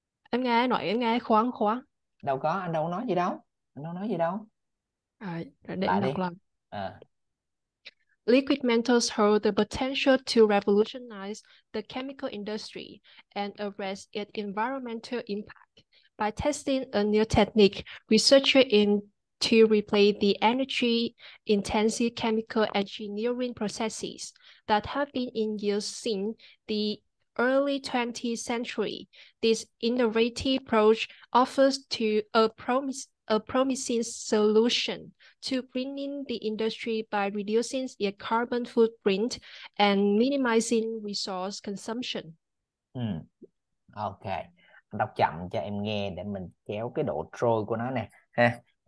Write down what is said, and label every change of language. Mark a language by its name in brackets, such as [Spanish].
[Vietnamese] Em nghe nói em nghe khoáng khoáng. Đâu có, anh đâu có nói gì đâu. Anh đâu nói gì đâu. À, để em Lại đọc đi. lại. À. [English] Liquid metals hold the potential to revolutionize the chemical industry and address its environmental impact by testing a new technique. Researchers aim to replace the energy-intensive chemical engineering processes that have been in use since the early 20th century. This innovative approach offers to a promising solution to greening the industry by reducing its carbon footprint and minimizing resource consumption. [Vietnamese] Ok, đọc chậm cho em nghe để mình kéo cái độ trôi của nó nè ha.